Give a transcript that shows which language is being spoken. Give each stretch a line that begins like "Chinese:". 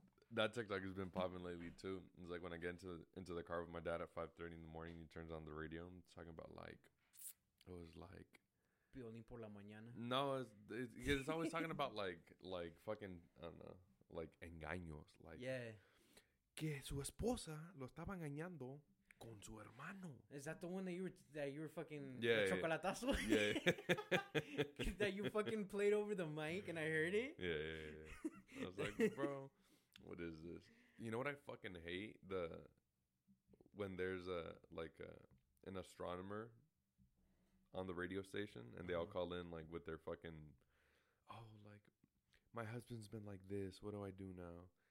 English: That TikTok has been popping lately, too. It's like when I get into the car with my dad at 5:30 in the morning, he turns on the radio. I'm talking about, like, it was like...
Spanish: Piolín por la mañana.
English: No, it's always talking about like fucking, I don't know, like engaños. Like, yeah.
Spanish: Que su esposa lo estaba engañando con su hermano.
English: Is that the one that you were fucking, yeah, the chocolatazo? Yeah. That you fucking played over the mic and I heard it? Yeah. I was like, bro, what is this? You know what I fucking hate? When there's an astronomer on the radio station, and they all call in, like, with their fucking, oh, like, my husband's been like this, what do I do now?